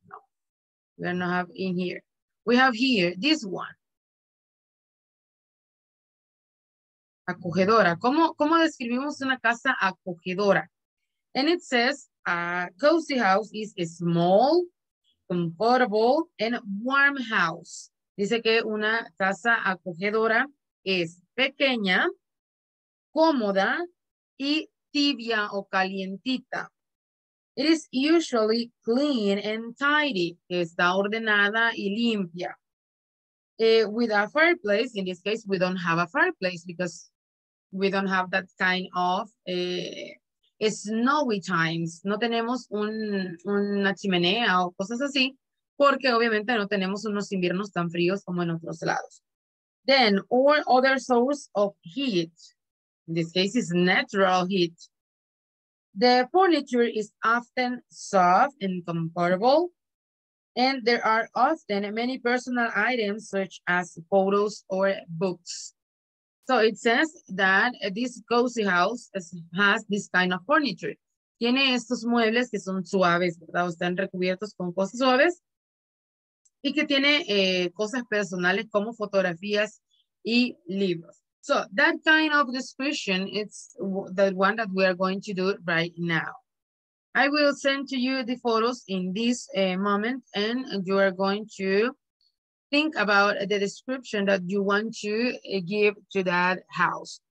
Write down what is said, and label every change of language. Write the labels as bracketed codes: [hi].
[en] No, we are not have in here. We have here, this one. [es] Acogedora. ¿Cómo describimos una casa acogedora? [en] And it says a cozy house is a small, comfortable, and warm house. [es] Dice que una casa acogedora es pequeña, cómoda, y tibia o calientita. [en] It is usually clean and tidy, [es] que está ordenada y limpia. [en] With a fireplace, in this case, we don't have a fireplace because we don't have that kind of snowy times. [es] No tenemos una chimenea o cosas así, porque obviamente no tenemos unos inviernos tan fríos como en otros lados. [en] Then, or other source of heat. In this case, it's natural heat. The furniture is often soft and comfortable, and there are often many personal items such as photos or books. So it says that this cozy house has this kind of furniture. [es] Tiene estos muebles que son suaves, ¿verdad? O están recubiertos con cosas suaves. Y que tiene cosas personales como fotografías y libros. [en] So that kind of description, it's the one that we are going to do right now. I will send to you the photos in this moment, and you are going to think about the description that you want to give to that house.